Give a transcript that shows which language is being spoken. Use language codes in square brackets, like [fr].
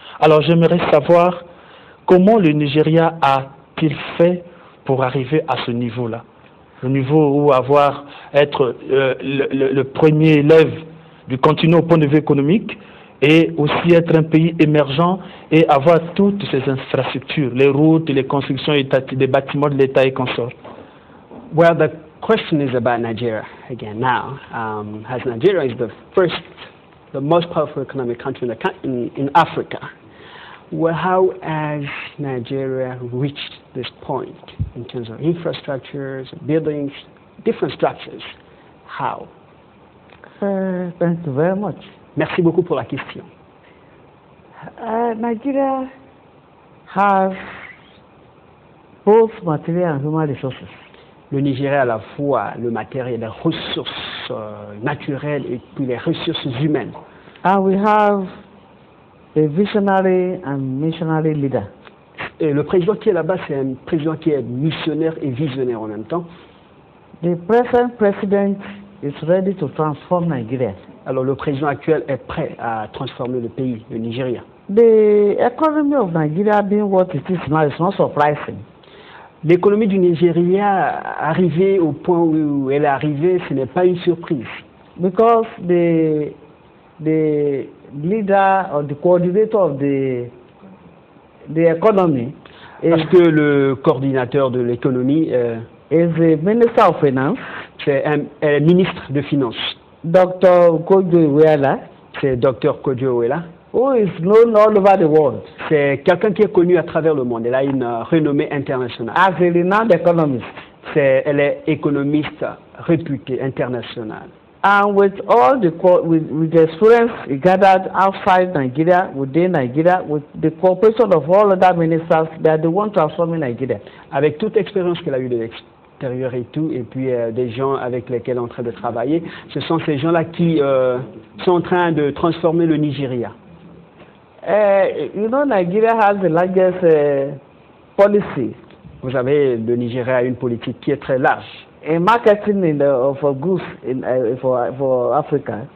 [fr] Alors j'aimerais savoir comment le Nigeria a-t-il fait pour arriver à ce niveau-là, le niveau où avoir être le premier élève du continent au point de vue économique et aussi être un pays émergent et avoir toutes ces infrastructures, les routes, les constructions des bâtiments de l'État et consorts. [en] Well, the question is about Nigeria again now. As Nigeria is the first, the most powerful economic country in Africa. Well, how has Nigeria reached this point in terms of infrastructures, buildings, different structures? How? Thank you very much. [fr] Merci beaucoup pour la question. [en] Nigeria has both material and human resources. [fr] Le Nigeria a la fois le matériel, les ressources naturelles et puis les ressources humaines. [en] And we have a visionary and missionary leader. [fr] Et le président qui est là-bas, c'est un président qui est missionnaire et visionnaire en même temps. [en] The present president is ready to transform Nigeria. [fr] Alors le président actuel est prêt à transformer le pays, le Nigeria. [en] The economy of Nigeria being what it is now is not surprising. [fr] L'économie du Nigeria arrivée au point où elle est arrivée, ce n'est pas une surprise. [en] Because the leader or the coordinator of the economy [fr] parce que le coordinateur de l'économie [en] is the minister of finance. [fr] C'est un ministre de finances. [en] Dr. Kojo Iweala. [fr] C'est Dr. Kojo Iweala. [en] Who is known all over the world. [fr] C'est quelqu'un qui est connu à travers le monde. Elle a une renommée internationale. [en] As a renowned economist. [fr] elle est économiste réputée internationale. [en] And with all the with the experience he gathered outside Nigeria, within Nigeria, with the cooperation of all other ministers, they are the ones transforming Nigeria. [fr] Avec toute expérience qu'elle a eue de l'extérieur et tout, et puis des gens avec lesquels elle est en train de travailler, ce sont ces gens-là qui sont en train de transformer le Nigeria. [en] You know, Nigeria has the largest policy. [fr] Vous savez, le Nigeria a une politique qui est très large. [en] In marketing in the, for goods in for Africa.